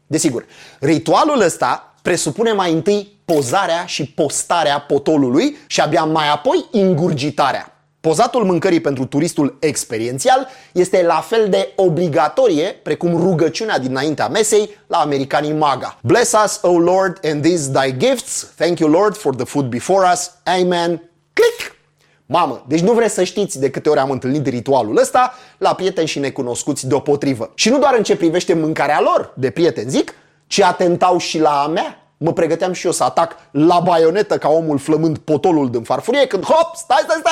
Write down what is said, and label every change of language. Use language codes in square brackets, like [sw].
[ro] Desigur, ritualul ăsta presupune mai întâi pozarea și postarea potolului și abia mai apoi ingurgitarea. Pozatul mâncării pentru turistul experiențial este la fel de obligatorie precum rugăciunea dinaintea mesei la americanii MAGA. [en] Bless us, O Lord, and these thy gifts. Thank you, Lord, for the food before us. Amen. Click! [ro] Mamă, deci nu vreți să știți de câte ori am întâlnit ritualul ăsta la prieteni și necunoscuți deopotrivă. Și nu doar în ce privește mâncarea lor, de prieteni zic, ci atentau și la a mea. Mă pregăteam și eu să atac la baionetă ca omul flămând potolul din farfurie când hop, stai!